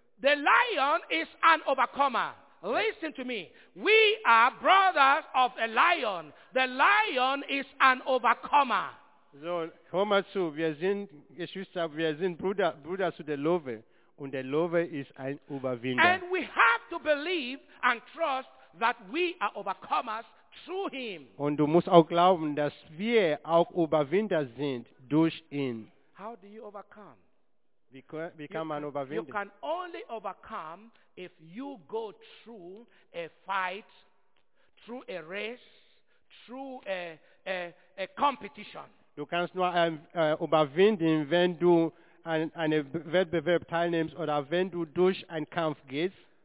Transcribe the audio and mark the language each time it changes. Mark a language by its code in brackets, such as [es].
[en] The lion is an overcomer. Listen to me. We are brothers of a lion. The lion is an overcomer. [de] So, hör mal zu. Wir sind Geschwister, wir sind Brüder zu der Löwe und der Löwe ist ein Überwinder. [en] And we have to believe and trust that we are overcomers through him. [de] Und du musst auch glauben, dass wir auch Überwinder sind durch ihn. [en] How do you overcome? [de] Wie kann man überwinden? [en] You can only overcome if you go through a fight, through a race, through a competition. [de] Du kannst nur überwinden, wenn du an einem Wettbewerb teilnimmst oder wenn du durch einen Kampf gehst.